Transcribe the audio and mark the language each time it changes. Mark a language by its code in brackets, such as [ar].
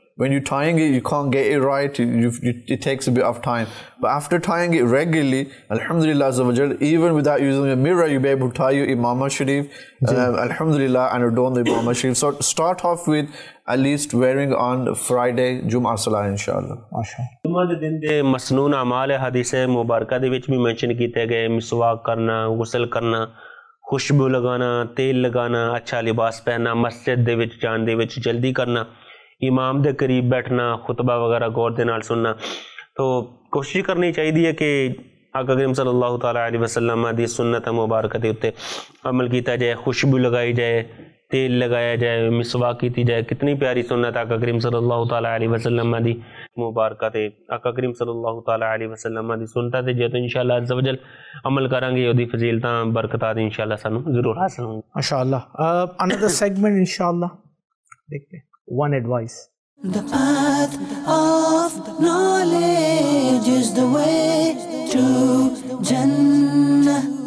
[en] when you're tying it, you can't get it right. It takes a bit of time. But after tying it regularly, Alhamdulillah Azza wa Jal, even without using a mirror, you'll be able to tie your Imamah Sharif. Alhamdulillah, and adorn the Imamah Sharif. So start off with at least wearing on Friday, Jum'ah Salah, inshallah. [pa] Jum'ah de din de masnoon amal e hadith e mubarakah de vich bhi mention kite gaye, miswak karna, ghusl karna, khushbu lagana, tel lagana, acha libas pehna, masjid de vich jaan de vich jaldi karna, امام دے قریب بیٹھنا خطبہ وغیرہ غور دے نال سننا تو کوشش کرنی چاہیے کہ آقا کریم صلی اللہ تعالی علیہ وسلم دی سنت مبارکہ دے اوپر عمل کیتا جائے خوشبو لگائی جائے تیل لگایا جائے مسواک کیتی جائے کتنی پیاری سنت آقا کریم صلی اللہ تعالی علیہ وسلم دی مبارکہ تے آقا کریم صلی اللہ تعالی علیہ وسلم دی سنت تے جے تو انشاءاللہ عزوجل عمل کران گے اودی فضیلتاں برکتاں انشاءاللہ سانو ضرور حاصل ہوں گی [ur] انشاءاللہ انادر سیگمنٹ انشاءاللہ دیکھتے [en] One advice. The path of knowledge is the way to Jannah.